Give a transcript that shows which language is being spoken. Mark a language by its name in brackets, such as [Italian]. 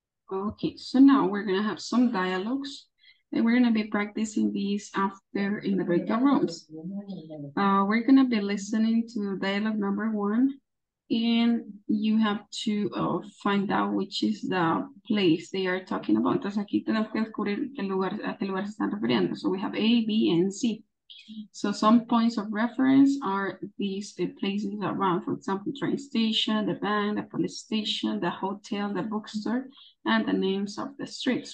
[English] Okay, so now we're going to have some dialogues and we're going to be practicing these after in the breakout rooms. We're going to be listening to dialogue number one and you have to find out which is the place they are talking about. [Spanish] Entonces aquí tenemos que descubrir a qué lugar se están refiriendo. [English] So we have A, B, and C. So some points of reference are these places around, for example, train station, the bank, the police station, the hotel, the bookstore, and the names of the streets.